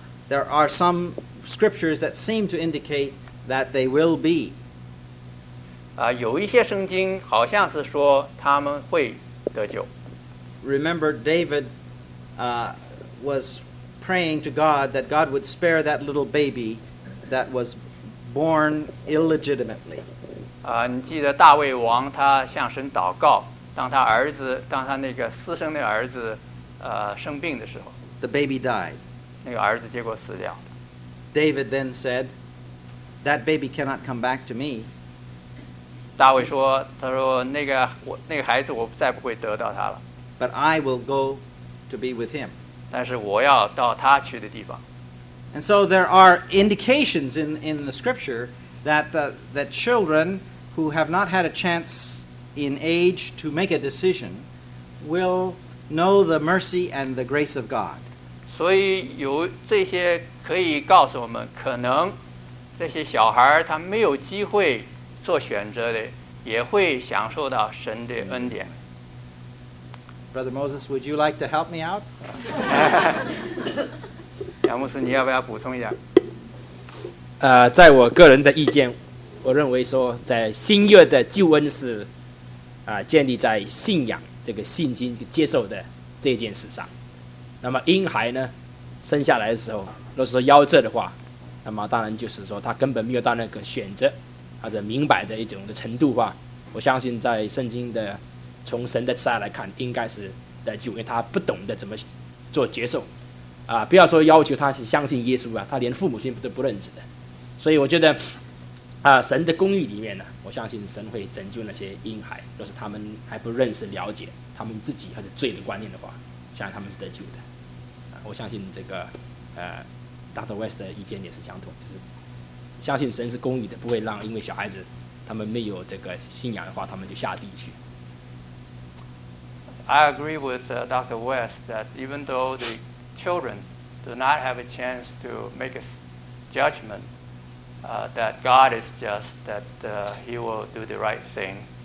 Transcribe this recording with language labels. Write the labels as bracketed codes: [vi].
[en] There are some scriptures that seem to indicate that they will be. [zh] 有一些圣经好像是说他们会得救。 [en] Remember, David was praying to God that God would spare that little baby that was born illegitimately. [zh] 你记得大卫王他向神祷告，当他那个私生的儿子，生病的时候 [en] ，the baby died. [zh] 那个儿子结果死掉。 [en] David then said, "That baby cannot come back to me." [zh] 大卫说："他说那个孩子我再不会得到他了。 [en] But I will go to be with him. [zh] 但是我要到他去的地方。 [en] And so there are indications in the scripture that that children who have not had a chance in age to make a decision will know the mercy and the grace of God. [zh] 所以有这些可以告诉我们，可能这些小孩他没有机会做选择的，也会享受到神的恩典。 [en] Brother Moses, would you like to help me out? [zh] 杨牧师，你要不要补充一下？在我个人的意见，我认为说，在新约的救恩是建立在信仰这个信心接受的这件事上。那么婴孩呢，生下来的时候，若是说夭折的话，那么当然就是说他根本没有到那个选择或者明白的一种的程度的话，我相信在圣经的从神的慈爱来看，应该是得救，因为他不懂得怎么做接受啊，不要说要求他是相信耶稣啊，他连父母亲都不认识的。所以我觉得神的公义里面呢，我相信神会拯救那些婴孩，若是他们还不认识了解他们自己或者罪的观念的话，相信他们是得救的啊。我相信这个Dr. West 的意见也是相同，就是相信神是公义的，不会让因为小孩子他们没有这个信仰的话，他们就下地去。 [en] I agree with Dr. West that even though the children do not have a chance to make a judgment, that God is just, that he will do the right thing.